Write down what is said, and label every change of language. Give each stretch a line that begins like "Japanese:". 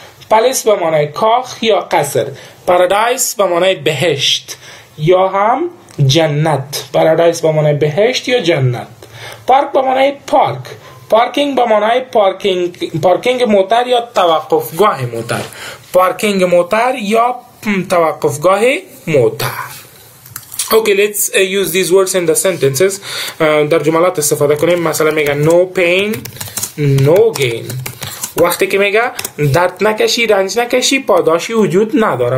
Persian: پلس به معنای کاخ یا قصر. پارادایس به معنای بهشت یا هم جنت. پارادایس به معنای بهشت یا جنت. پارک به معنای پارک. پارکینگ به معنای پارکینگ، پارکینگ موتر یا توقفگاه موتر. پارکینگ موتر یا توقفگاه موتر.
English: Okay, let's use these words in the sentences.
Persian: در جملات استفاده کنیم. مثلا میگه
English: no pain, no gain.
Persian: وقتی که میگه درد نکشی، رنج نکشی، پاداشی وجود نداره.